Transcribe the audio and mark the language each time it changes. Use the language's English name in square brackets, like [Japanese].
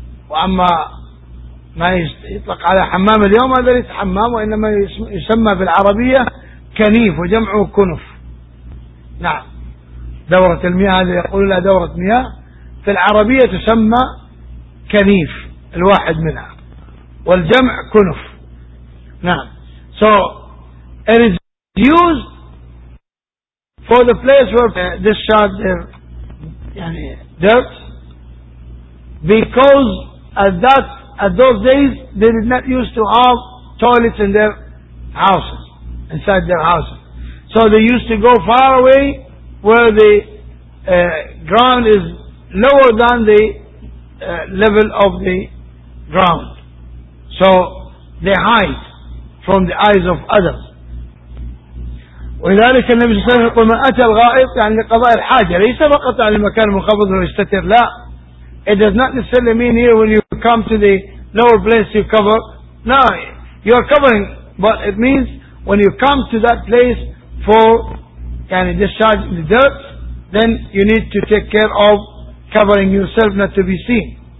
[Arabic] وأما ما يطلق على حمام اليوم هذا ليس حمام، وإنما يسمى في العربية كنيف، وجمعه كنف. نعم دورة المياه، هذا يقول لها دورة مياه، في العربية تسمى كنيف الواحد منها، والجمع كنف. [English] نعم so it is used for the place where this shot يعني dirt because at those days they did not used to have toilets in their houses, inside their houses, so they used to go far away where the ground is lower than the level of the ground. So they hide from the eyes of others. [Arabic] ولذلك النبي صلى الله عليه وسلم يقول من أتى الغائط يعني لقضاء الحاجة ليس فقط على المكان المنخفض والمستتر لا. [English] It does not necessarily mean here when you come to the lower place you cover. No, you are covering, but it means when you come to that place for يعني discharge the dirt, then you need to take care of covering yourself not to be seen.